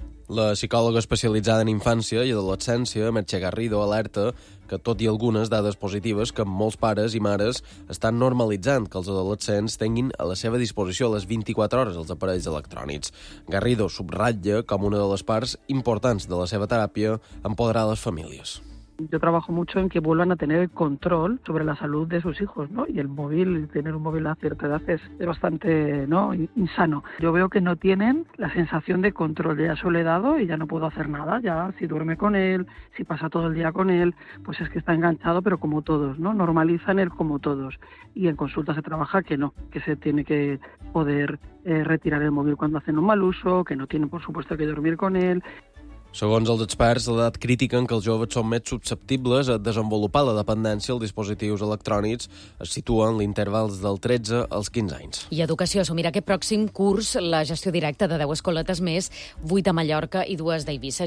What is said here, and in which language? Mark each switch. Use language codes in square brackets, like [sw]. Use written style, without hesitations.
[ca] La psicòloga especialitzada en infància i adolescència, Mercè Garrido, alerta que tot i algunes dades positives que molts pares i mares estan normalitzant que els adolescents tinguin a la seva disposició les 24 hores els aparells electrònics. Garrido subratlla com una de les parts importants de la seva teràpia empoderar les famílies. [es] Yo trabajo mucho en que vuelvan a tener el control sobre la salud de sus hijos, ¿no? Y el móvil, tener un móvil a cierta edad es bastante, ¿no?, insano. Yo veo que no tienen la sensación de control. Ya se lo he dado y ya no puedo hacer nada. Ya, si duerme con él, si pasa todo el día con él, pues es que está enganchado, pero como todos, ¿no? Normalizan el como todos. Y en consulta se trabaja que no, que se tiene que poder retirar el móvil cuando hacen un mal uso, que no tienen, por supuesto, que dormir con él. [ca] Segons els experts, l'edat crítica en què els joves són més susceptibles a desenvolupar la dependència als dispositius electrònics es situa en l'interval dels 13 als 15 anys. I Educació assumirà aquest pròxim curs la gestió directa de 10 escoletes més, 8 a Mallorca i 2 d'Eivissa.